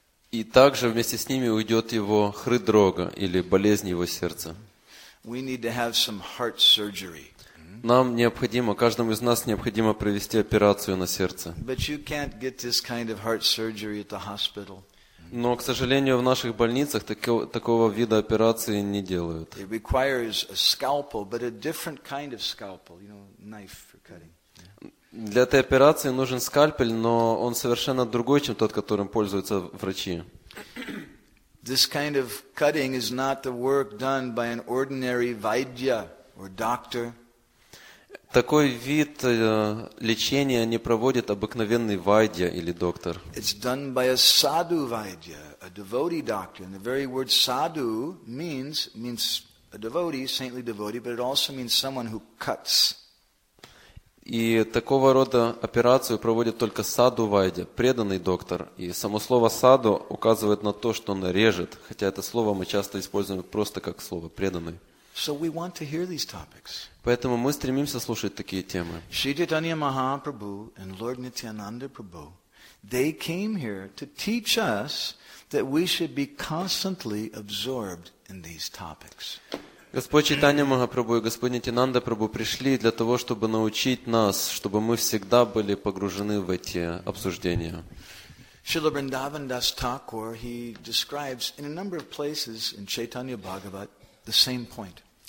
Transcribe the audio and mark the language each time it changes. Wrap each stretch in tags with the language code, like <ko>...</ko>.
<ru>И также вместе с ними уйдет его хридрога, или болезнь его сердца.</ru> <en>We need to have some heart surgery.</en> <ru>Нам необходимо, каждому из нас необходимо провести операцию на сердце.</ru> <en>But you can't get this kind of heart surgery at the hospital.</en> <ru>Но, к сожалению, в наших больницах такого вида операции не делают.</ru> <en>It requires a scalpel, but a different kind of scalpel, you know, knife for cutting.</en> <ru>Для этой операции нужен скальпель, но он совершенно другой, чем тот, которым пользуются врачи.</ru> <en>This kind of cutting is not the work done by an ordinary vaidya or doctor.</en> <ru>Такой вид лечения не проводит обыкновенный вайдья или доктор.</ru> <en>It's done by a sadhu vaidya, a devotee doctor. And the very word sadhu means a devotee, saintly devotee, but it also means someone who cuts.</en> <ru>И такого рода операцию проводит только sadhu vaidya, преданный доктор. И само слово sadhu указывает на то, что он режет, хотя это слово мы часто используем просто как слово преданный.</ru> <en>So we want to hear these topics.</en> <ru>Поэтому мы стремимся слушать такие темы.</ru> <en>Shri Chaitanya Mahaprabhu and Lord Nityananda Prabhu, they came here to teach us that we should be constantly absorbed in these topics.</en> <ru>Господь Чайтанья Махапрабху и Господь Нитянанда Прабху пришли для того, чтобы научить нас, чтобы мы всегда были погружены в эти обсуждения.</ru> <en>Srila Vrindavan Das Thakur, he describes in a number of places in Chaitanya Bhagavat the same point.</en>